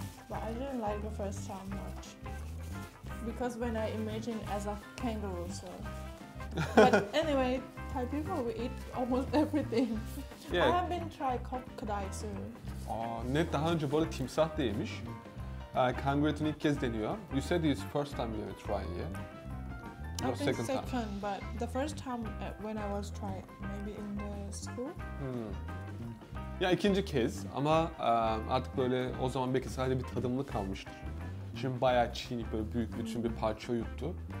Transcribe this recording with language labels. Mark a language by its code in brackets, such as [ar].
[en] But I didn't like the first time much. Because when I imagine as a kangaroo, so... But anyway, Thai people, we eat almost everything. Yeah. I have been trying crocodile too. [tr] Aa, ne daha önce böyle timsah da yemiş. Kangaroo etini ilk kez deniyor. [en] You said it's first time you ever tried, yeah? No, I think second time. But the first time when I was trying, maybe in the school. [tr] Ya ikinci kez ama artık böyle o zaman belki sadece bir tadımlı kalmıştır. Şimdi bayağı çiğnip böyle büyük bütün bir parça yuttu.